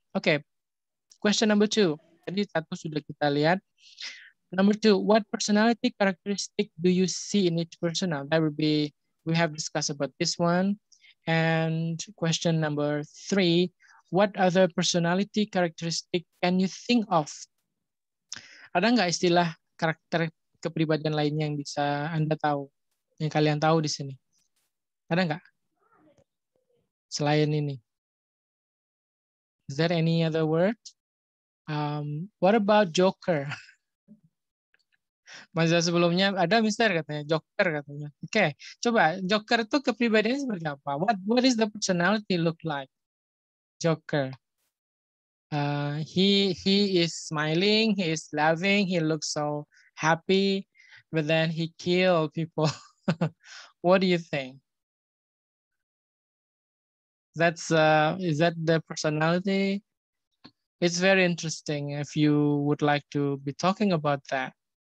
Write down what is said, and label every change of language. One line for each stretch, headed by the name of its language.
English: Okay, question number 2.
Indonesian: Jadi satu sudah kita lihat.
English: Number 2, what personality characteristic do you see in each person? Now, that would be, we have discussed about this one. And question number 3, what other personality characteristic can you think of?
Indonesian: Ada nggak istilah karakter kepribadian lain yang bisa Anda tahu, yang kalian tahu di sini? Ada nggak? Selain ini.
English: Is there any other word? What about joker?
Indonesian: Masa sebelumnya ada mister katanya, joker katanya. Okay, coba joker itu kepribadiannya seperti apa?
English: What is the personality look like? Joker. He is smiling, he is laughing, he looks so happy, but then he kill people. What do you think? Is that the personality? It's very interesting if you would like to be talking about that.